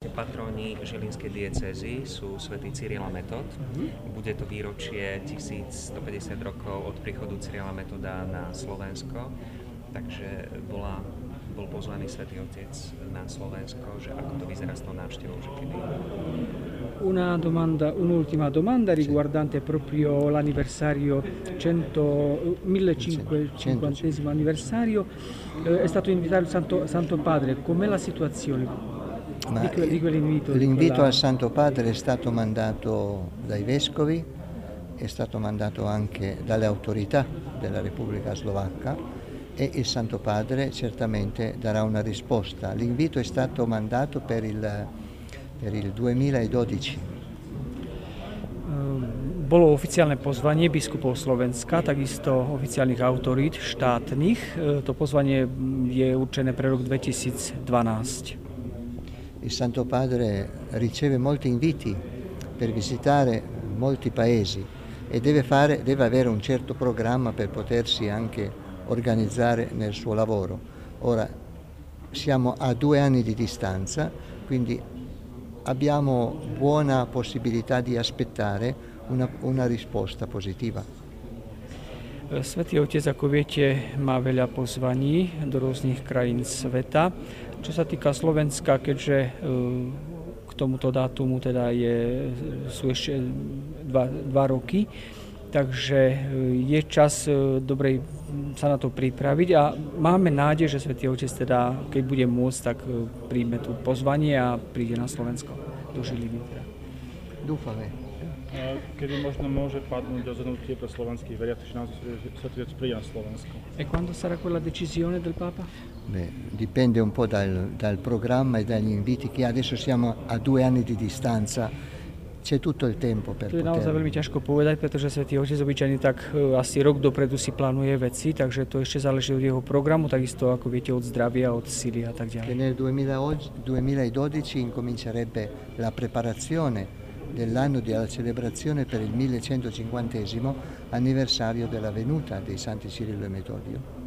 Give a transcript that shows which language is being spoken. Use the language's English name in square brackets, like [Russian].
[Slovak] patroni Žilinskej diecézy sú svätý Cyril a Metod. Mm-hmm. Bude to výročie 1150 rokov od príchodu Cyrila Metoda na Slovensko. Takže bol pozvaný svätý otec na Slovensko, že ako to vyzerá s tou návštevou, že kedy. [Italian] Una domanda, un'ultima domanda riguardante proprio l'anniversario 150 anniversario. È stato invitato il Santo Padre. Com'è la situazione di quell'invito? L'invito al Santo Padre è stato mandato dai vescovi, è stato mandato anche dalle autorità della Repubblica Slovacca e il Santo Padre certamente darà una risposta. L'invito è stato mandato per il 2012. [Slovak] Bolo oficiálne pozvanie biskupov Slovenska, takisto oficiálnych autorít štátnych. To pozvanie je určené pre rok 2012. [Italian] Il Santo Padre riceve molti inviti per visitare molti paesi e deve avere un certo programma per potersi anche organizzare nel suo lavoro. Ora siamo a 2 anni di distanza, quindi abbiamo buona possibilità di aspettare una risposta positiva. [Slovak] Svätý Otec, ako viete, má veľa pozvaní do rôznych krajín sveta. Čo sa týka Slovenska, keďže k tomuto dátumu teda sú ešte 2 roky, takže je čas dobrej sa na to pripraviť a máme nádej, že Svätý Otec teda, keď bude môcť, tak príjme tú pozvanie a príde na Slovensko do Žiliny. Dúfame. Kedy možno môže padnúť rozhodnutie pre slovenských veriacich, či naozaj Svätý Otec príde na Slovensko? [Italian] E quando sarà quella decisione del Papa? Beh, dipende un po' dal programma e dagli inviti, che adesso siamo a 2 anni di distanza. C'è tutto il tempo per poter. [Slovak] To je naozaj veľmi ťažko povedať, pretože Svätý Otec obyčajne tak asi rok dopredu si plánuje veci, takže to ešte záleží od jeho programu, takisto ako viete od zdravia, od síly a tak ďalej. [Italian] Nel 2012 incomincerebbe la preparazione dell'anno della celebrazione per il 1150 anniversario della venuta dei Santi Cirillo e Metodio.